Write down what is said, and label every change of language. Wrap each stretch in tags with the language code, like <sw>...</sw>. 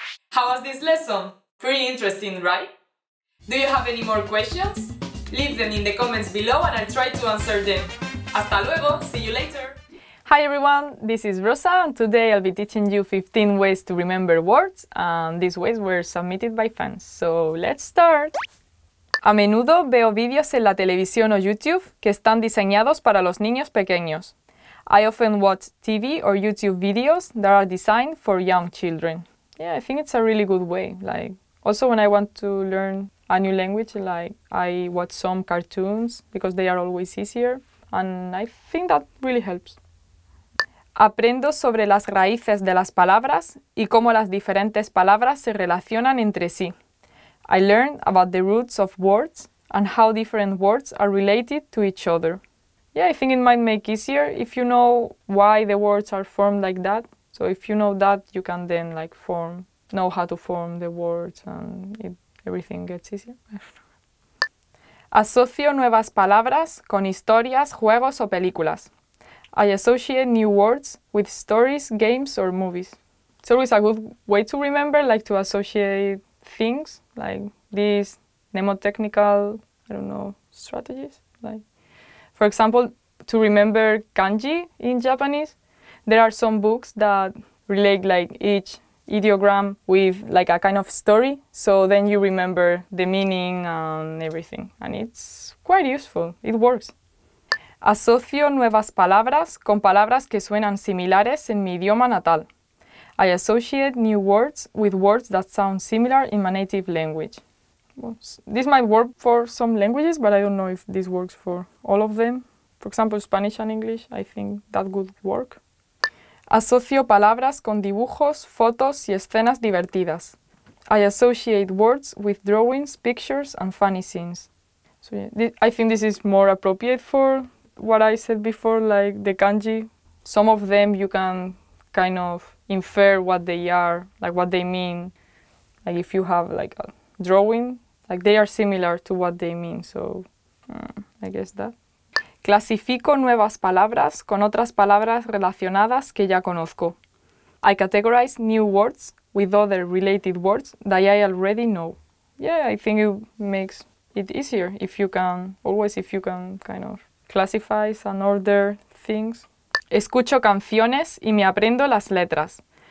<en>How was this lesson? Pretty interesting, right? Do you have any more questions? Leave them in the comments below and I'll try to answer them.</en> <es>Hasta luego,</es> <en>see you later. Hi everyone, this is Rosa and today I'll be teaching you 15 ways to remember words, and these ways were submitted by fans. So let's start.</en> <es>A menudo veo vídeos en la televisión o YouTube que están diseñados para los niños pequeños.</es> <en>I often watch TV or YouTube videos that are designed for young children. Yeah, I think it's a really good way. Like, also when I want to learn a new language, like I watch some cartoons because they are always easier, and I think that really helps.</en> <es>Aprendo sobre las raíces de las palabras y cómo las diferentes palabras se relacionan entre sí.</es> <en>I learn about the roots of words and how different words are related to each other. Yeah, I think it might make easier if you know why the words are formed like that. So if you know that, you can then like form, know how to form the words and it, everything gets easier.</en> <es>Asocio nuevas palabras con historias, juegos o películas.</es> <en>I associate new words with stories, games or movies. It's always a good way to remember, like to associate things, like these mnemotechnical, I don't know, strategies. Like, for example, to remember kanji in Japanese, there are some books that relate like each ideogram with like a kind of story. So then you remember the meaning and everything. And it's quite useful. It works.</en> <es>Asocio nuevas palabras con palabras que suenan similares en mi idioma natal.</es> <en>I associate new words with words that sound similar in my native language. Well, this might work for some languages, but I don't know if this works for all of them. For example, Spanish and English, I think that would work.</en> <es>Asocio palabras con dibujos, fotos y escenas divertidas.</es> <en>I associate words with drawings, pictures and funny scenes. So yeah, I think this is more appropriate for what I said before, like the kanji, some of them you can kind of infer what they are, like what they mean. Like if you have like a drawing, like they are similar to what they mean. So I guess that.</en> <es>Clasifico nuevas palabras con otras palabras relacionadas que ya conozco.</es> <en>I categorize new words with other related words that I already know. Yeah, I think it makes it easier if you can, always if you can kind of classify and order things.</en> <es>Escucho canciones y me aprendo las letras.</es>